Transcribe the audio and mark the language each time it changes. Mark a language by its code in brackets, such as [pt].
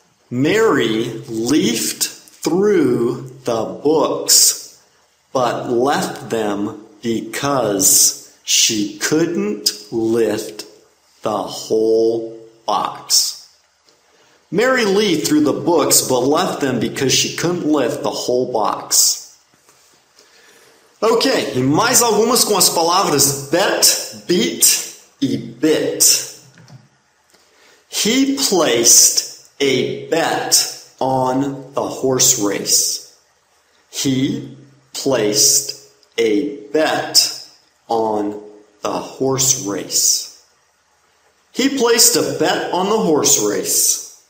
[en] Mary leafed through the books, but left them because she couldn't lift the whole box. Mary leafed through the books, but left them because she couldn't lift the whole box. [pt] Ok, e mais algumas com as palavras bet, beat e bit. [en] He placed a bet on the horse race. He placed a bet on the horse race. He placed a bet on the horse race.